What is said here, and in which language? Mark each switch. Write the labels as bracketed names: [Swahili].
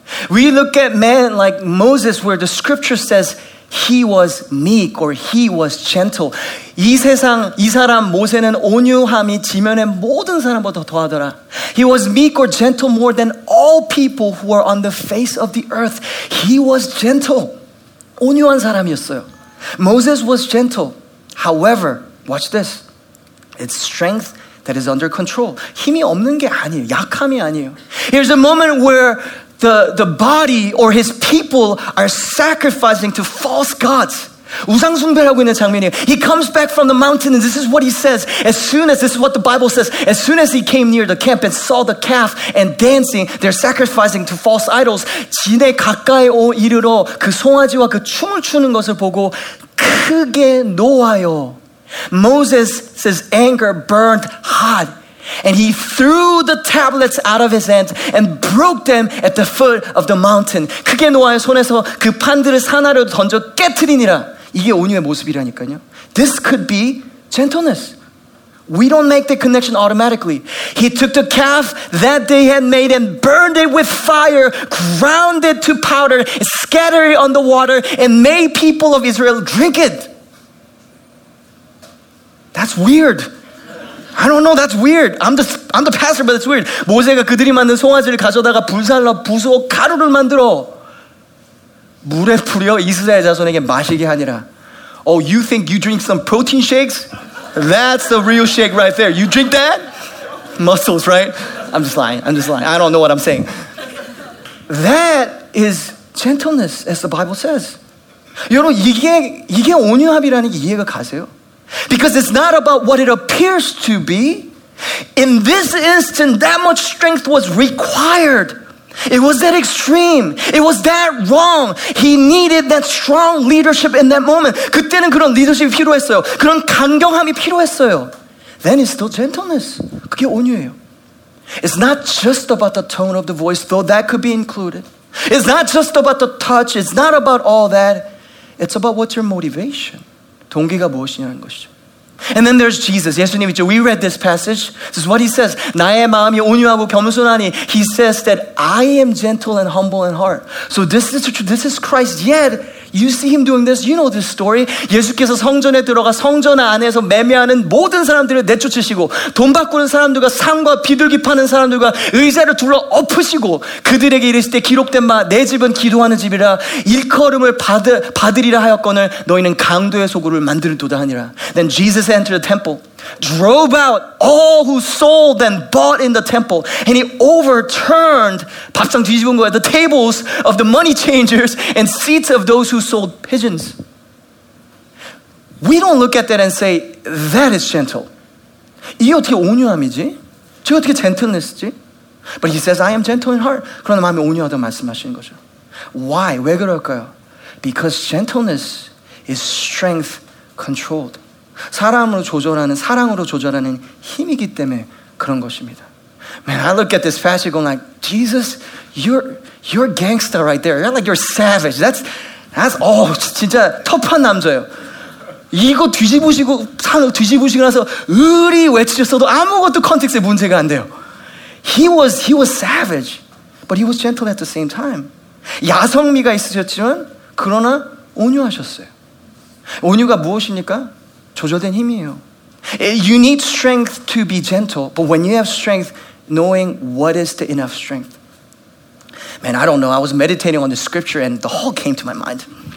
[English] We look at men like Moses, where the scripture says he was meek or he was gentle. [Korean] 이 세상, 이 사람 모세는 온유함이 지면에 모든 사람보다 더하더라. [English] He was meek or gentle more than all people who are on the face of the earth. He was gentle. [Korean] 온유한 사람이었어요. [English] Moses was gentle. However, watch this. It's strength that is under control. [Korean] 힘이 없는 게 아니에요. 약함이 아니에요. [English] Here's a moment where the body or his people are sacrificing to false gods. [Korean] 우상 숭배하고 있는 장면이에요. [English] He comes back from the mountain and this is what he says. As soon as, this is what the Bible says, as soon as he came near the camp and saw the calf and dancing, they're sacrificing to false idols. [Korean] 진에 가까이 이르러 그 송아지와 그 춤을 추는 것을 보고 크게 노하여. [English] Moses says anger burned hot and he threw the tablets out of his hands and broke them at the foot of the mountain. [Korean] 크게 노하여 손에서 그 판들을 산하로 던져 깨트리니라. 이게 온유의 모습이라니까요. [English] This could be gentleness. We don't make the connection automatically. He took the calf that they had made and burned it with fire, ground it to powder, scattered it on the water, and made people of Israel drink it. That's weird. I don't know, that's weird. I'm the pastor, but it's weird. [Korean] 모세가 그들이 만든 송아지를 가져다가 불살라 부수어 가루를 만들어 물에 뿌려 이스라엘 자손에게 마시게 하니라. [English] Oh, you think you drink some protein shakes? That's the real shake right there. You drink that? Muscles, right? I'm just lying. I don't know what I'm saying. That is gentleness, as the Bible says. [Korean] 여러분, 이게 온유함이라는 게 이해가 가세요? [English] Because it's not about what it appears to be. In this instant, that much strength was required. It was that extreme. It was that wrong. He needed that strong leadership in that moment. [Korean] 그때는 그런 리더십이 필요했어요. 그런 강경함이 필요했어요. [English] Then it's still gentleness. [Korean] 그게 온유예요. [English] It's not just about the tone of the voice, though that could be included. It's not just about the touch. It's not about all that. It's about what's your motivation. [Korean] 동기가 무엇이냐는 것이죠. [English] And then there's Jesus. [Korean] 예수님 있죠. [English] We read this passage. This is what he says. [Korean] 나의 마음이 온유하고 겸손하니. [English] He says that I am gentle and humble in heart. So this is Christ. Yet, you see him doing this. You know this story. [Korean] 예수께서 성전에 들어가 성전 안에서 매매하는 모든 사람들을 내쫓으시고 돈 바꾸는 사람들과 상과 비둘기 파는 사람들과 의자를 둘러 엎으시고 그들에게 이르실 때 기록된 바 내 집은 기도하는 집이라 일컬음을 받으리라 하였거늘 너희는 강도의 소굴을 만들도다 하니라. [English] Then Jesus entered the temple, drove out all who sold and bought in the temple, and he overturned [Korean] 밥상 뒤집은 거야, [English] the tables of the money changers and seats of those who sold pigeons. We don't look at that and say, that is gentle. [Korean] 이게 어떻게 온유함이지? 저게 어떻게 gentleness지? [English] But he says, I am gentle in heart. [Korean] 그러나 마음이 온유하다 말씀하시는 거죠. [English] Why? [Korean] 왜 그럴까요? [English] Because gentleness is strength controlled. [Korean] 사람으로 조절하는, 사랑으로 조절하는 힘이기 때문에 그런 것입니다. [English] Man, I look at this passage going like, Jesus, you're a gangster right there. You're like, you're savage. That's [Korean] 진짜 터프한 남자예요. 이거 뒤집으시고, 뒤집으시고 나서 의리 외치셨어도 아무것도 컨텍스트에 문제가 안 돼요. [English] He was savage, but he was gentle at the same time. [Korean] 야성미가 있으셨지만, 그러나 온유하셨어요. 온유가 무엇입니까? 조절된 힘이에요. [English] You need strength to be gentle, but when you have strength, knowing what is the enough strength. Man, I don't know. I was meditating on the scripture and the Hulk came to my mind.